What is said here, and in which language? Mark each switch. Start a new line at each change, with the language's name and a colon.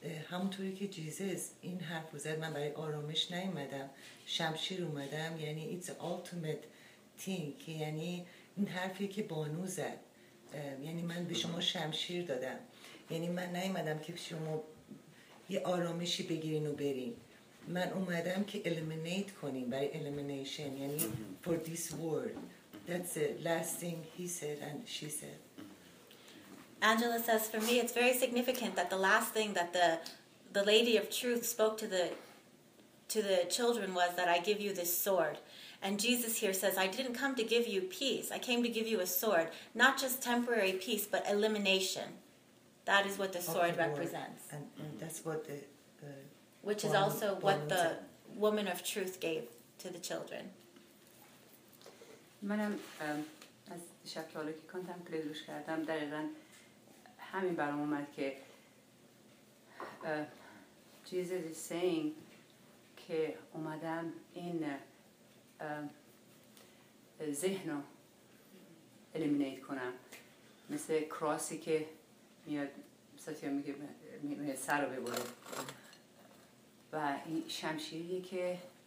Persian: همونطوری که جیزس این حرف رو زد، من برای آرامش نیومدم، شمشیر اومدم، یعنی
English: it's ultimate thing،
Persian: که یعنی این حرفی که بانو زد، یعنی من به شما شمشیر دادم، یعنی من نیومدم که شما یه آرامشی بگیرین و برین، من اومدم که eliminate کنیم، برای elimination، یعنی
English: for this world. That's the last thing he said and she said. Angela says, for me it's very significant that the last thing that the lady of truth spoke to the children was that I give you this sword. And Jesus here says, I didn't come to give you peace, I came to give you a sword. Not just temporary peace, but elimination. That is what the sword represents. And that's what the which is also what the woman of truth gave to the children.
Persian: منم از شب که حالا که کانتم که روش کردم دقیقا همین برام اومد که
English: Jesus is saying
Persian: که اومدم این ذهن رو eliminate کنم، مثل کراسی که میاد ساتیا میگه میگه سر رو ببره و این شمشیری که